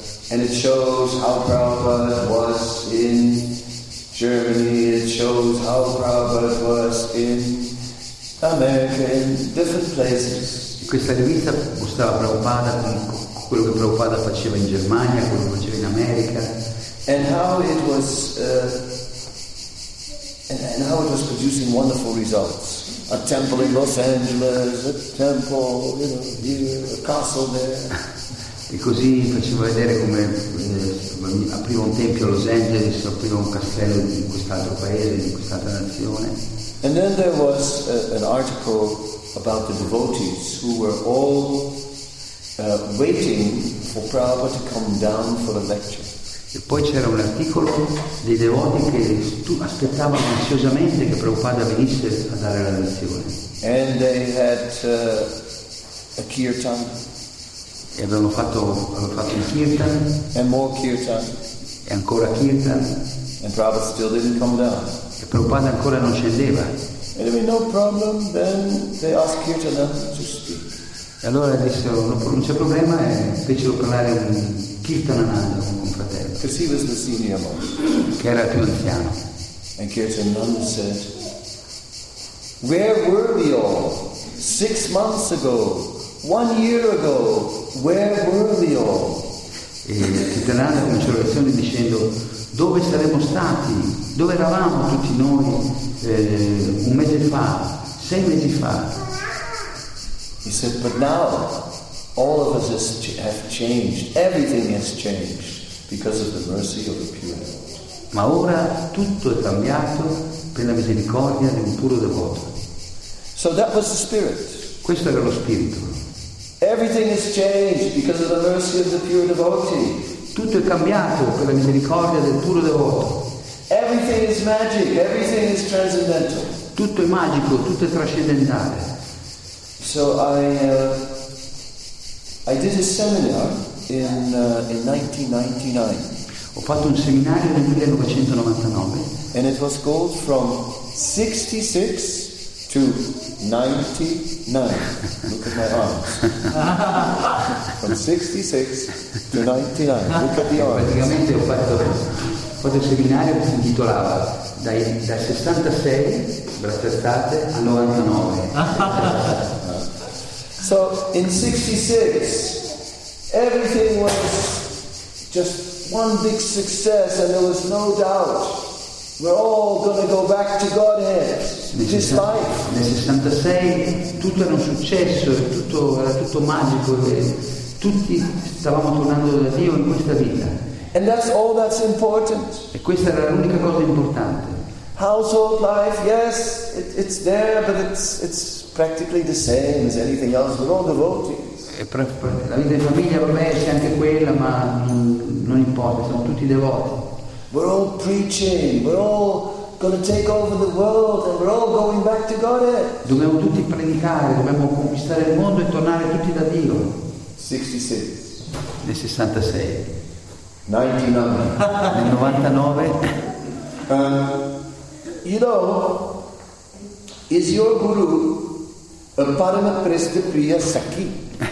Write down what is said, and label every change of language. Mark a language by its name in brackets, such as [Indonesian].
[English] And it shows how Prabhupada was in Germany. It shows how Prabhupada was in America, in different places. [Italian] Questa rivista mostrava Prabhupada, quello che Prabhupada faceva in Germania, quello che faceva in America. [English] And how it was and how it was producing wonderful results. A temple in Los Angeles, a temple, you know, here, a castle there. [Italian] E così faceva vedere come apriva un tempio a Los Angeles, apriva un castello in quest'altro paese, in quest'altra nazione. [English] And then there was an article about the devotees who were all waiting for Prabhupada to come down for the lecture. [Italian] E poi c'era un articolo dei devoti che aspettavano ansiosamente che Prabhupada venisse a dare la lezione. [English] And they had a kirtan. [Italian] E avevano fatto il kirtan. [English] And more kirtan. [Italian] E ancora kirtan. [English] And Prabhupada still didn't come down. [Italian] E Prabhupada ancora non scendeva. [English] Anyway, no problem. Then they asked kirtana to speak. [Italian] E allora dissero, non c'è problema, e fecero parlare un kirtanananda, un fratello. [English] Because he was the senior monk. [Italian] Che era più anziano. [English] And kirtanananda said, where were we all 6 months ago, 1 year ago, where were we all? [Italian] E kirtanananda cominciò la lezione dicendo, dove saremmo stati, dove eravamo tutti noi un mese fa, 6 mesi fa? [English] He said, but now all of us have changed. Everything has changed because of the mercy of the pure devotee. [Italian] Ma ora tutto è cambiato per la misericordia di un puro devoto. [English] So that was the spirit. [Italian] Questo era lo spirito. [English] Everything has changed because of the mercy of the pure devotee. [Italian] Tutto è cambiato per la misericordia del puro devoto. [English] Everything is magic. Everything is transcendental. [Italian] Tutto è magico, tutto è trascendentale. [English] So I did a seminar in 1999. [Italian] Ho fatto un seminario nel 1999. [English] And it was called from 66 to 99. Look at my arms. From 66 to 99. Look at the arms. [Italian] Praticamente ho fatto un seminario che si intitolava da 66, braccia state, a 99. [English] So in 66 everything was just one big success and there was no doubt we're all going to go back to Godhead. This life. [Italian] Nel 66 tutto era un successo, era tutto magico, e tutti stavamo tornando da Dio in questa vita. [English] And that's all that's important. [Italian] E questa era l'unica cosa importante. [English] Household life, yes, it's there, but it's practically the same as anything else. We're all devotees. [Italian] La vita in famiglia per me è anche quella, ma non importa, siamo tutti devoti. [English] We're all preaching, we're all gonna take over the world and we're all going back to Godhead. [Italian] Dobbiamo tutti predicare, dobbiamo conquistare il mondo e tornare tutti da Dio. [English] 66. [Italian] Nel 66. [English] 99. [Italian] Nel 99. [English] You know, is your guru a parama presta priya sakhi?